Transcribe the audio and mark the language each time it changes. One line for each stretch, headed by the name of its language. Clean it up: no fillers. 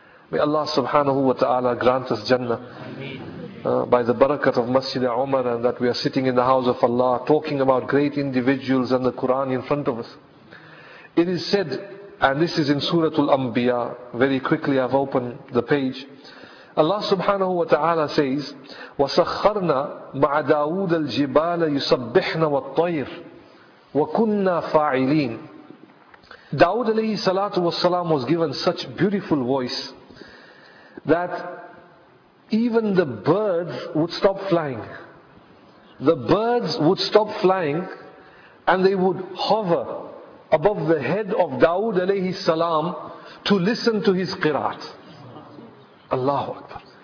English: May Allah subhanahu wa ta'ala grant us Jannah. By the barakat of Masjid Umar, and that we are sitting in the house of Allah talking about great individuals and the Quran in front of us. It is said, and this is in Suratul Anbiya, very quickly I've opened the page. Allah subhanahu wa ta'ala says,
Arabic: وَسَخَّرْنَا مَعَ دَاوُودَ الْجِبَالَ يُسَبِّحْنَا وَالطَّيْرِ وَكُنَّا فَاعِلِينَ.
English: Dawood alayhi salatu wassalam was given such beautiful voice that even the birds would stop flying. The birds would stop flying and they would hover above the head of Dawood alayhi salam to listen to his qiraat. Allahu Akbar.